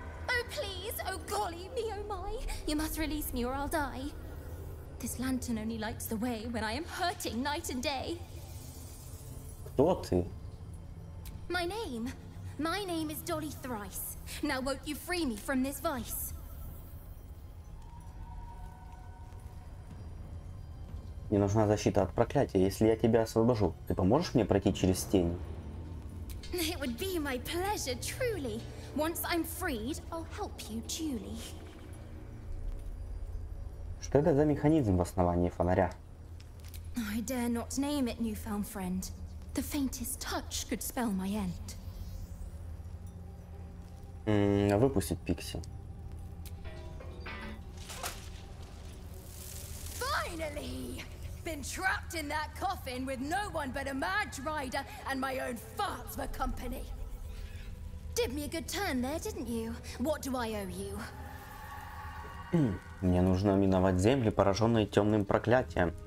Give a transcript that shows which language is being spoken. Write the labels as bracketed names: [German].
[English] Oh please, oh golly, me oh my! You must release me or I'll die. This lantern only lights the way when I am hurting night and day. [Russian] Кто ты? [English] My name. My name is Dolly Thrice. Now won't you free me from this vice? [Russian] Мне нужна защита от проклятия. Если я тебя освобожу, ты поможешь мне пройти через тени? [English] It would be my pleasure, truly. Once I'm freed, I'll help you, Julie. [Russian] Что это за механизм в основании фонаря? [English] I dare not name it, newfound friend. The faintest touch could spell my end. [Russian] Выпустить пикси. [English] Finally! Been trapped in that coffin with no one but a mad rider and my own farts for company. Did me a good turn there, didn't you? What do I owe you? [Russian] Мне нужно миновать земли, пораженные темным проклятием.